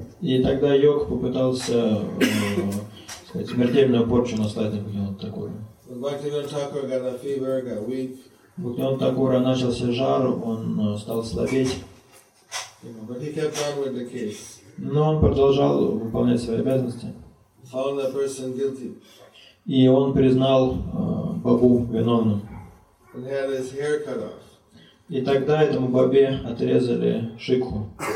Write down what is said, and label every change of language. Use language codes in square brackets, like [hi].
[ru] И тогда йог попытался, сказать, смертельную порчу наслать на Бхактивинода Такура. [en] Bhaktivinoda Thakur got a fever, got weak. [ru] Бхактивинода Такура начался жар, он стал слабеть. [en] Yeah, but he kept on with the case. [ru] Но он продолжал выполнять свои обязанности. [en] Found the person guilty. [ru] И он признал бабу виновным. [en] And had his hair cut off. [ru] И тогда этому бабе отрезали шикху.